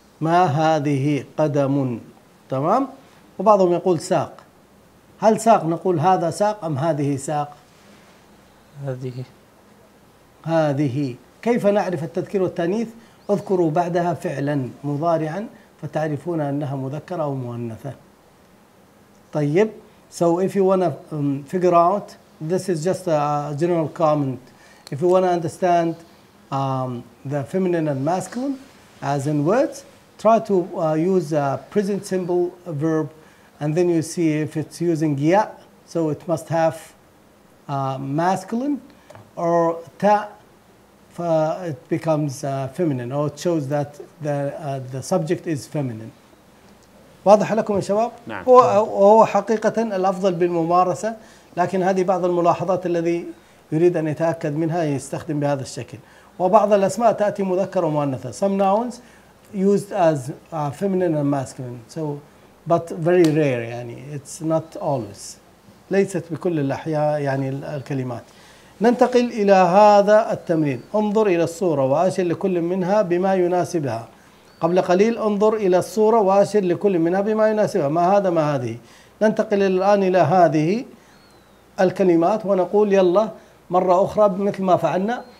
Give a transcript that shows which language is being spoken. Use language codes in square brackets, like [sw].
[ar] ما هذه. قدم. تمام. وبعضهم يقول ساق. هل ساق نقول هذا ساق أم هذه ساق؟ هذه. هذه. كيف نعرف التذكير والتأنيث؟ اذكروا بعدها فعلا مضارعا فتعرفون أنها مذكرة أو مؤنثة. طيب [en] so if you want to figure out, this is just a general comment. If you want to understand the feminine and masculine as in words, try to use a present simple verb, and then you see if it's using ya, so it must have masculine, or ta, it becomes feminine, or it shows that the subject is feminine. [ar] واضح لكم يا شباب؟ نعم. وهو حقيقة الأفضل بالممارسة، لكن هذه بعض الملاحظات الذي يريد أن يتأكد منها يستخدم بهذا الشكل. وبعض الأسماء تأتي مذكرة ومؤنثة. [en] Some nouns used as feminine and masculine. So, but very rare. [ar] يعني [en] it's not always. [ar] ليست بكل الأحياء يعني الكلمات. ننتقل إلى هذا التمرين. انظر إلى الصورة وأشر لكل منها بما يناسبها. قبل قليل انظر إلى الصورة وأشر لكل منها بما يناسبها. ما هذا؟ ما هذه. ننتقل الآن إلى هذه الكلمات ونقول يلا مرة أخرى مثل ما فعلنا.